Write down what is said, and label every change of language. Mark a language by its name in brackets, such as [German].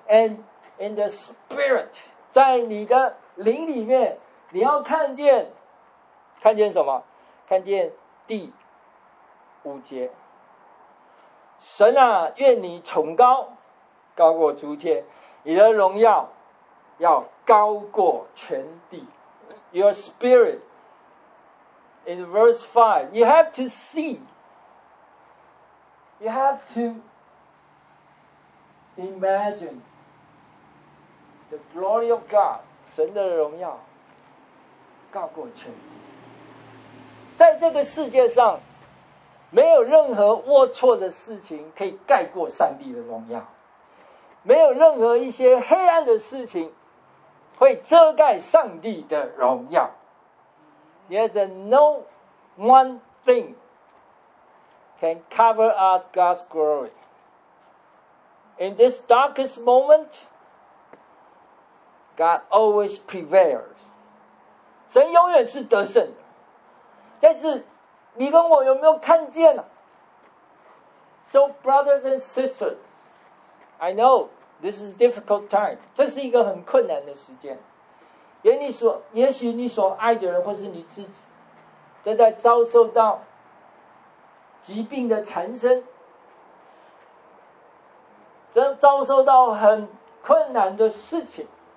[English] And in the spirit, [Chinese] 在你的灵里面，你要看见，看见什么？看见地。五节，神啊，愿你崇高，高过诸天，你的荣耀要高过全地。 [English] Your spirit in verse 5, you have to see, you have to imagine the glory of God, [Chinese] 神的荣耀高过全地。在这个世界上，没有任何龌龊的事情可以盖过上帝的荣耀，没有任何一些黑暗的事情会遮盖上帝的荣耀。 [English] There's no one thing can cover up God's glory. In this darkest moment, God always prevails. [Chinese] 神永远是得胜的。但是你跟我有没有看见啊？ [English] So brothers and sisters, I know this is a difficult time. [Chinese] 这是一个很困难的时间。也许你所爱的人或是你自己正在遭受到疾病的缠身，正遭受到很困难的事情。